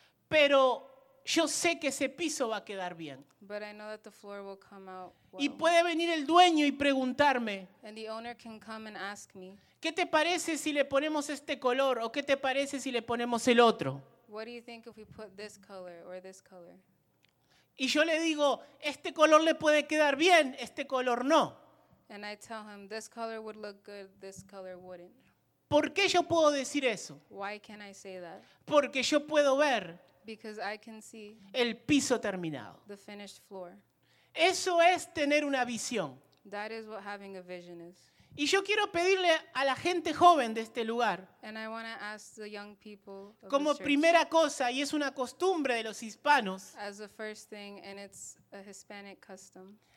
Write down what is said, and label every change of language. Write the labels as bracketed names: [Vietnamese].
[Spanish] Pero yo sé que ese piso va a quedar bien. [English] But I know that the floor will come out well. [Spanish] Y puede venir el dueño y preguntarme, [English] and the owner can come and ask me, [Spanish] ¿qué te parece si le ponemos este color o qué te parece si le ponemos el otro? [English] What do you think if we put this color or this color? [Spanish] Y yo le digo, este color le puede quedar bien, este color no. [English] And I tell him, this color would look good, this color wouldn't. [Spanish] ¿Por qué yo puedo decir eso? [English] Why can I say that? [Spanish] Porque yo puedo ver, [English] because I can see, [Spanish] el piso terminado. [English] The finished floor. [Spanish] Eso es tener una visión. [English] That is what having a vision is. [Spanish] Y yo quiero pedirle a la gente joven de este lugar, [English] and I want to ask the young people of [Spanish] como [English] the church, [Spanish] primera cosa, y es una costumbre de los hispanos, [English] as the first thing, and it's a Hispanic custom,